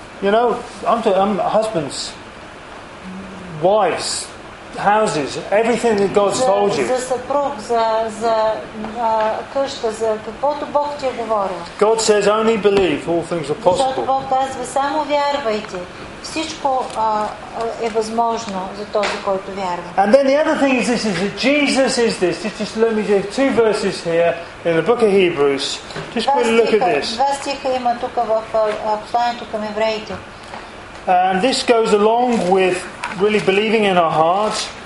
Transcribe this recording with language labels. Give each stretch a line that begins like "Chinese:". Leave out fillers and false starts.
English: You know, I'm husbands, wives, houses, everything that God's told you.
Bulgarian: За съпруг, за къща, за каквото Бог ти е говорил.
English: God says only believe, all things are possible.
Bulgarian: Защото Бог казва, само вярвайте. Всичко е възможно за този, който вярва.
English: And then the other thing is this, is that Jesus is this. Just let me give two verses here in the book of Hebrews. Just quickly look at this.
Bulgarian: Два стиха има тук в посланието към евреите.
English: And this goes along with really believing in our hearts.